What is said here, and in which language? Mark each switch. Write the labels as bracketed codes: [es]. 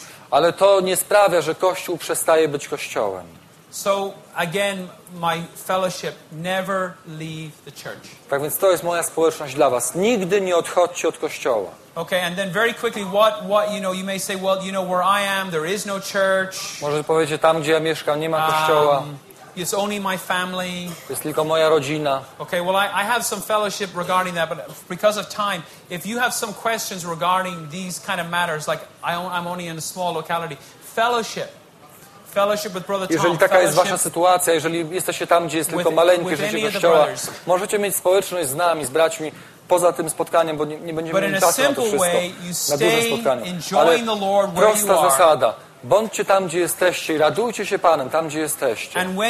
[pl] Ale to nie sprawia, że Kościół przestaje być Kościołem. [en] So again, my fellowship, never leave the church. [pl] Tak więc to jest moja społeczność dla was. Nigdy nie odchodźcie od Kościoła. [en] Okay, and then very quickly, what you know, you may say, well, you know, where I am, there is no church. [pl] Może powiecie, tam gdzie ja mieszkam, nie ma Kościoła. [en] It's only my family. [pl] Jest tylko moja rodzina. [en] Okay, well, I have some fellowship regarding that, but because of time, if you have some questions regarding these kind of matters, like I'm only in a small locality, fellowship with Brother Tom. [pl] Jeżeli taka jest wasza sytuacja, jeżeli jesteście tam, gdzie jest tylko maleńkie życie Kościoła, możecie mieć społeczność z nami, z braćmi, poza tym spotkaniem, bo nie będziemy mieli czasu na to wszystko, na duże spotkanie. Ale prosta zasada. Bądźcie tam, gdzie jesteście i radujcie się Panem tam, gdzie jesteście.